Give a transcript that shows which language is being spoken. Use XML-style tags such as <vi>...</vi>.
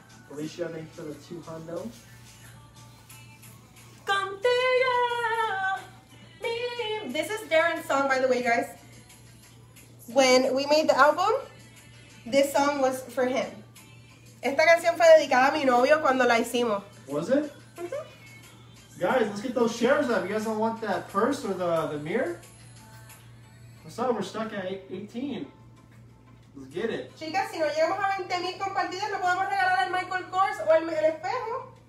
<en>Alicia, thank you for the 200. This is Darren's song, by the way, guys. When we made the album, this song was for him.</en> <es>Esta canción fue dedicada a mi novio cuando la hicimos.</es> <en>Was it? Mm-hmm. Guys, let's get those shares up. You guys don't want that purse or the mirror? What's up? We're stuck at 18. Let's get it.</en> <es>Chicas, si no llegamos a 20,000 compartidas, lo podemos regalar al Michael Kors o el espejo.</es>